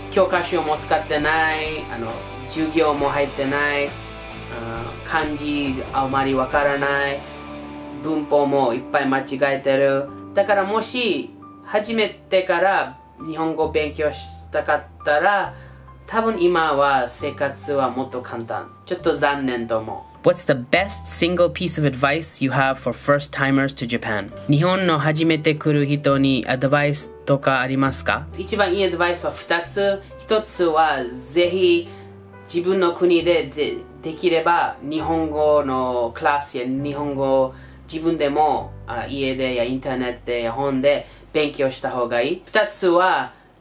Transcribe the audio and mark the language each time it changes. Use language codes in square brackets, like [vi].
[ja] 教科書も使ってない、あの授業も入ってない、漢字あまりわからない、文法もいっぱい間違えてる。だからもし初めてから日本語を勉強したかったら、多分今は生活はもっと簡単。ちょっと残念と思う。 [en] What's the best single piece of advice you have for first timers to Japan? [ja] 日本の初めて来る人にアドバイスとかありますか？一番いいアドバイスは2つ。1つはぜひ自分の国で できれば日本語のクラスや日本語を自分でも家でやインターネットで本で勉強した方がいい。2つは